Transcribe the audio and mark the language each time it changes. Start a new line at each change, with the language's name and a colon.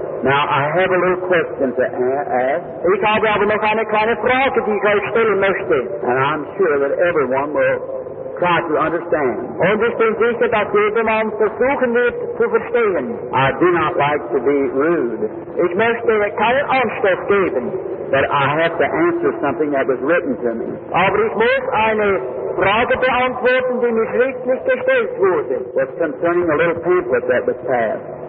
English: Now, I have a little question to ask.
German: Ich habe aber noch eine kleine Frage, die ich euch stellen möchte.
English: And I'm sure that everyone will try to understand.
German: Und ich bin sicher, dass jedermann versuchen wird, zu verstehen.
English: I do not like to be rude.
German: Ich möchte keinen Anstoß geben.
English: But I have to answer something that was written to me.
German: Aber ich muss eine Frage beantworten, die mir schriftlich gestellt wurde.
English: That's concerning a little pamphlet that was passed.